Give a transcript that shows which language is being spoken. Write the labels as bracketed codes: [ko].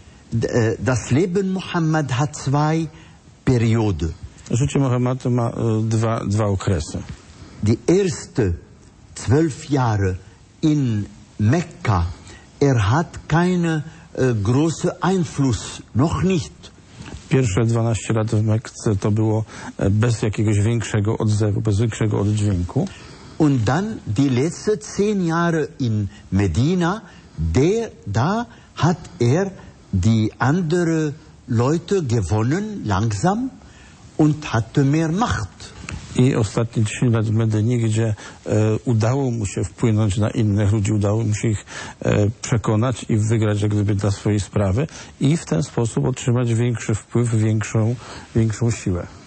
[de] das Leben Muhammad hat zwei Periode. [pl] Życie Muhammadu ma dwa okresy. [de] Die erste 12 Jahre in Mekka, hat keine große Einfluss, noch nicht. [pl] Pierwsze 12 lat w Mekce to było bez jakiegoś większego odzewu, bez większego oddźwięku. [de] Und dann die letzte 10 Jahre in Medina, da hat die andere Leute gewonnen, langsam, und hatte mehr Macht. [pl] I ostatnie 10 lat w Medynie, gdzie udało mu się wpłynąć na innych ludzi, udało mu się ich przekonać i wygrać jak gdyby dla swojej sprawy i w ten sposób otrzymać większy wpływ, większą siłę.